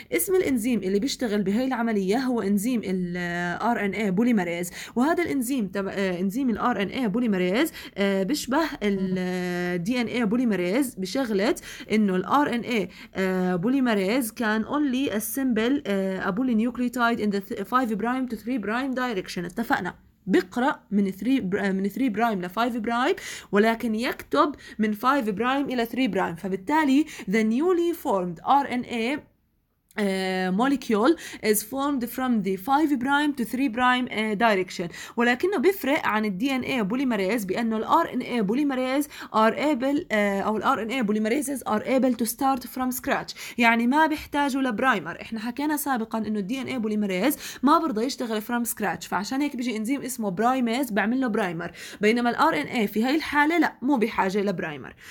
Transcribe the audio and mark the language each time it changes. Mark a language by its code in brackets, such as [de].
[ar] اسم الإنزيم اللي بيشتغل بهاي العملية هو إنزيم الـ RNA بوليمريز، وهذا الإنزيم إنزيم الـ RNA بوليمريز بيشبه الـ DNA بوليمريز بشغلة إنه الـ RNA بوليمريز كان [en] only a simple a polynucleotide in the 5 prime to 3 prime direction. [ar] اتفقنا بيقرأ من 3 برايم ل 5 برايم، ولكن يكتب من 5 برايم إلى 3 برايم. فبالتالي [en] the newly formed RNA molecule is formed from the 5 prime to 3 prime direction. [ar] ولكنه بيفرق عن الدي ان اي بوليمريز بانه الار ان اي بوليمريز ار ايبل او الار ان اي بوليمريزز [en] are able to start from scratch, [ar] يعني ما بيحتاجوا لبرايمر. احنا حكينا سابقا انه الدي ان اي بوليمريز ما برضى يشتغل [en] from scratch, [ar] فعشان هيك بيجي انزيم اسمه برايميز بعمل له برايمر، بينما الار ان اي في هاي الحاله لا، مو بحاجه لبرايمر.